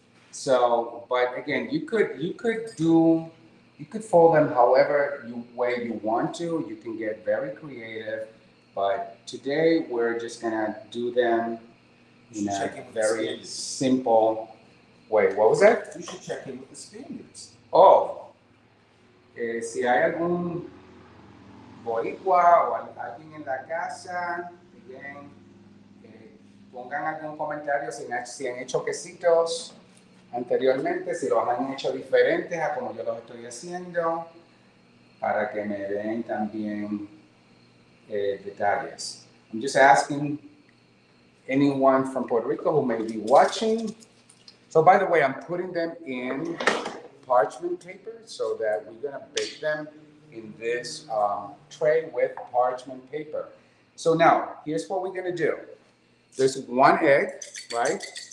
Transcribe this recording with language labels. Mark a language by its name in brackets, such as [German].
[English] So, but again, you could fold them however way you want to. You can get very creative. But today we're just gonna do them in a very simple way. What was that? You should check in with the Spaniards. Oh. [Spanish] Si hay algún Boricua o alguien en la casa, bien, pongan algún comentario si han hecho quesitos anteriormente, si los han hecho diferentes a como yo los estoy haciendo, para que me den también detalles. [English] I'm just asking anyone from Puerto Rico who may be watching. So by the way, I'm putting them in parchment paper so that we're gonna bake them in this tray with parchment paper. So now, here's what we're gonna do. There's one egg, right?